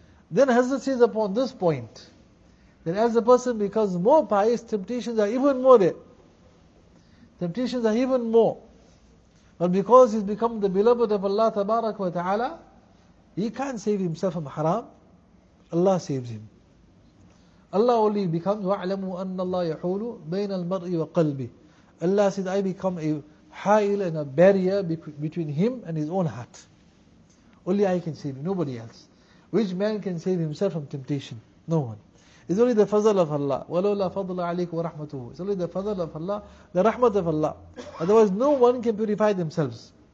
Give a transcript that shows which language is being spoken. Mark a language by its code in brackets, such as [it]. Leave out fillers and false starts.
[en] Then Hazrat says upon this point, that as a person becomes more pious, temptations are even more there. Temptations are even more. But because he's become the beloved of Allah tabarak wa ta'ala, he can't save himself from haram. Allah saves him. Allah only becomes [ar] وَعْلَمُوا أَنَّ اللَّهَ يَحُولُ بَيْنَ الْمَرْءِ وَقَلْبِهِ. [en] Allah said, I become a hail and a barrier between him and his own heart. Only I can save him, nobody else. Which man can save himself from temptation? No one. It's only the fazal of Allah. [ar] وَلَوْلَا فَضْلَ عَلَيْكُ وَرَحْمَتُهُ. [en] It's only the fazal of Allah, the rahmat of Allah. Otherwise, no one can purify themselves.